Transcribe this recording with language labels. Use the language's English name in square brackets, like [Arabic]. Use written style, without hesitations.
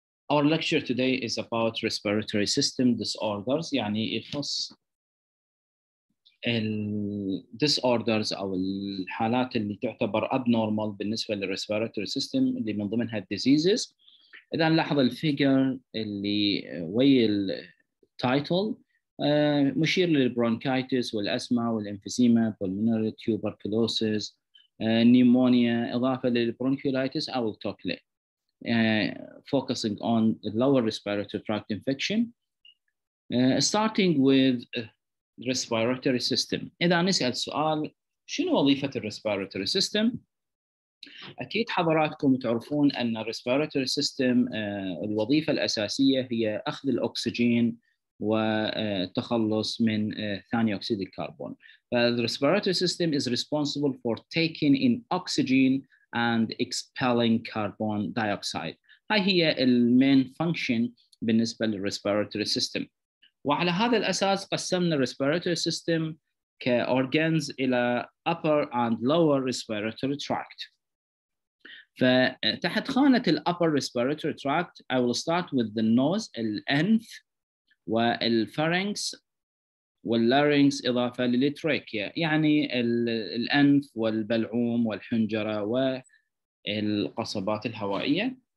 [English] Our lecture today is about respiratory system disorders. [Arabic] يعني يخص ال disorders أو الحالات اللي تعتبر abnormal بالنسبة لل respiratory system اللي من ضمنها diseases. إذا لاحظ الفيجر اللي ويا ال title مشير للبرونكايتس والأسما والإنفيزيما والبولمونري tuberculosis نيمونيا إضافة للبرونكيولايتس أو التوكلي. [English] Focusing on the lower respiratory tract infection, starting with respiratory system. [Arabic] إذا نسأل سؤال شنو وظيفة respiratory system؟ أكيد حضراتكم تعرفون أن respiratory system الوظيفة الأساسية هي أخذ الأكسجين والتخلص من ثاني أكسيد الكربون. [English] The respiratory system is responsible for taking in oxygen and expelling carbon dioxide. [Arabic] هاي هي المين فانكشن بالنسبة للرespiratory system. وعلى هذا الأساس قسمنا الرespiratory system كأورجانز إلى [English] upper and lower respiratory tract. [Arabic] فتحت خانة الـ [English] upper respiratory tract, I will start with the nose, [Arabic] الأنف والفارينكس واللارينكس إضافة للتراكيا, يعني الأنف والبلعوم والحنجرة و القصبات الهوائية.